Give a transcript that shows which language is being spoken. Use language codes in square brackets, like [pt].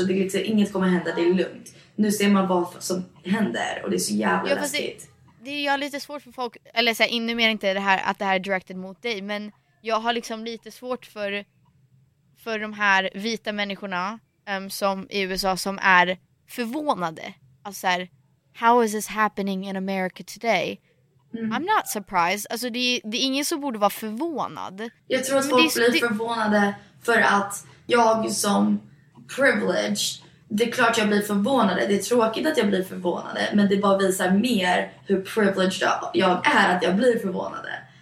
[sv] Så det är liksom, inget kommer hända, det är lugnt. Nu ser man vad som händer och det är så jävla läskigt. Det är lite svårt för folk, eller så här, ännu mer inte det här, att det här är directed mot dig, men jag har liksom lite svårt för de här vita människorna som i USA som är förvånade. Alltså så här, [en] how is this happening in America today? I'm not surprised. [sv] Alltså det är ingen som borde vara förvånad. Jag tror att folk blir förvånade för att jag som privileged det är klart jag blir förvånade. Det är tråkigt att jag blir förvånade. Men det bara visar mer hur privileged jag är att jag blir förvånade.